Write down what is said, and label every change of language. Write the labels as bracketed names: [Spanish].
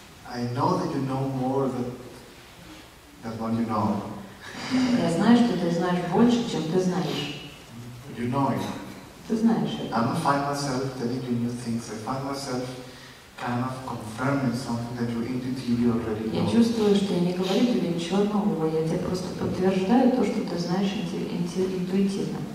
[English] I know that you know more than what you know. [Russian] Я знаю, что ты знаешь больше, чем ты знаешь. [English] You know it. [Russian] Ты знаешь это. [English] I don't find myself telling you new things. I find myself kind of confirming something that you intuitively already know. [Russian] Я чувствую, что я не говорю тебе ничего нового. Я тебе просто подтверждаю то, что ты знаешь интуитивно.